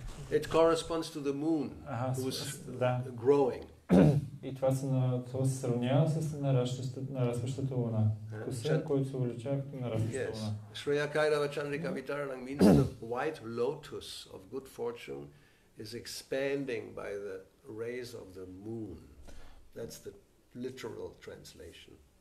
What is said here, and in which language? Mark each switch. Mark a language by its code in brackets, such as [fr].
[en] It corresponds to the moon who's growing. [bg] И това се сравнява с нарастващата луна. Вкуса, който се увеличава като нарастваща луна. [en] Shreya Kairava Chandrika Vitaranam means the white lotus of good fortune is expanding by the rays of the moon. That's the literal translation.